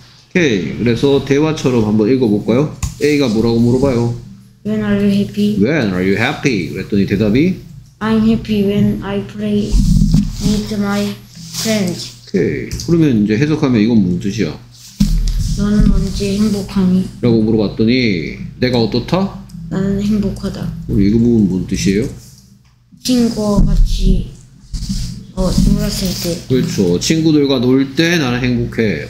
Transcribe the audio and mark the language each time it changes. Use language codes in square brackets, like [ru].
[ko] 오케이. 그래서 대화처럼 한번 읽어볼까요? A가 뭐라고 물어봐요? [en] When are you happy? When are you happy? [ko] 그랬더니 대답이? [en] I'm happy when I play with my friends. [ko] 오케이. 그러면 이제 해석하면 이건 무슨 뜻이야? 너는 언제 행복하니? 라고 물어봤더니 내가 어떻다? 나는 행복하다. 그럼 이거 부분 무슨 뜻이에요? 친구와 같이 놀았을 때. 그렇죠. 친구들과 놀 때 나는 행복해.